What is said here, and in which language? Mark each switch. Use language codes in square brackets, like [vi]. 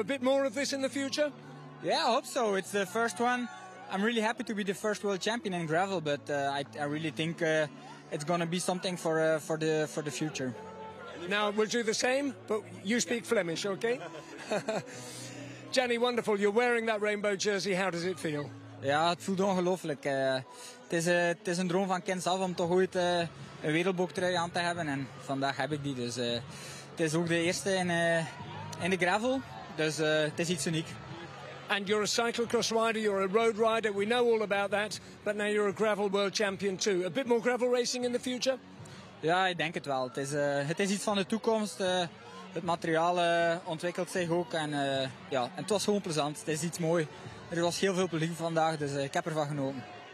[en] A bit more of this in the future? Yeah, I hope so. It's the first one. I'm really happy to be the first world champion in gravel, but I really think it's going to be something for the future. Now, we'll do the same, but you speak Flemish, okay? Gianni, wonderful. You're wearing that rainbow jersey. How does it feel? Yeah, it feels [nl] ongelooflijk. Het is een droom van kind zelf om toch ooit een wereldboogtrui aan te hebben. En vandaag heb ik die. Dus het is ook de eerste in de gravel. Dus het is iets uniek. [en] And you're a cyclocross rider, you're a road rider. We know all about that. But now you're a gravel world champion too. A bit more gravel racing in the future? [nl] Ja, ik denk het wel. Het is iets van de toekomst. Het materiaal ontwikkelt zich ook. En het was gewoon plezant. Het is iets moois. Er was heel veel publiek vandaag, dus ik heb ervan genoten.